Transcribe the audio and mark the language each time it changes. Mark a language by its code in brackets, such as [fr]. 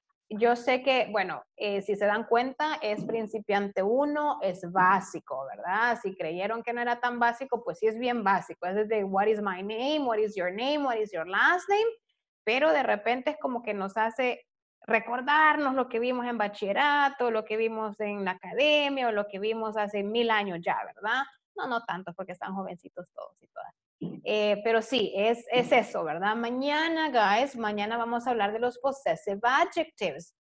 [es] Yo sé que, bueno, si se dan cuenta, es principiante 1, es básico, ¿verdad? Si creyeron que no era tan básico, pues sí es bien básico. Es desde [en] what is my name, what is your name, what is your last name. [es] Pero de repente es como que nos hace recordarnos lo que vimos en bachillerato, lo que vimos en la academia o lo que vimos hace 1000 años ya, ¿verdad? No tanto, porque están jovencitos todos y todas. Pero sí, es eso, ¿verdad? Mañana, guys, mañana vamos a hablar de los possessive adjectives.